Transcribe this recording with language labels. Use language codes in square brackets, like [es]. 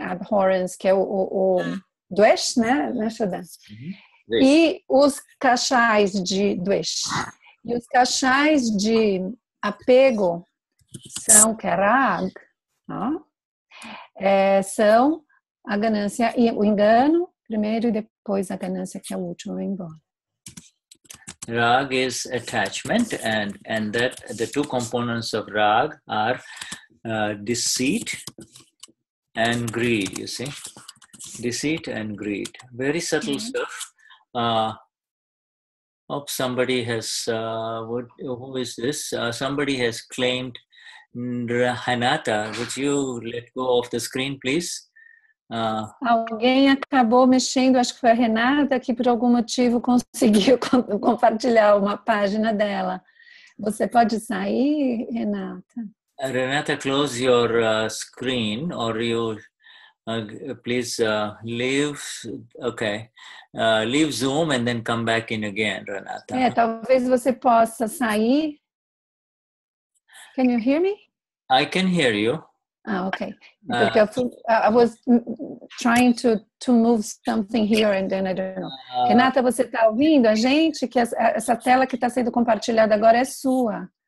[pt] Abhorrence, que é o duesh, né? E os cachais de duesh. E os cachais de apego são kerag, são a ganância e o engano primeiro e depois a ganância que é o último embora. [en] Rag is attachment and that the two components of rag are deceit and greed. You see, deceit and greed, very subtle stuff. Oops, somebody has, who is this? Somebody has claimed Hanata. Would you let go of the screen, please? [pt] Alguém acabou mexendo, acho que foi a Renata, que por algum motivo conseguiu compartilhar uma página dela. Você pode sair, Renata? [en] Renata, close your screen, or you, please leave, okay. Leave Zoom and then come back in again, Renata. [pt] É, talvez você possa sair. [en] Can you hear me? I can hear you. Ah, okay. Because I was trying to move something here and then I don't know. [pt] Renata, você está ouvindo a gente? Que essa tela que está sendo compartilhada agora é sua.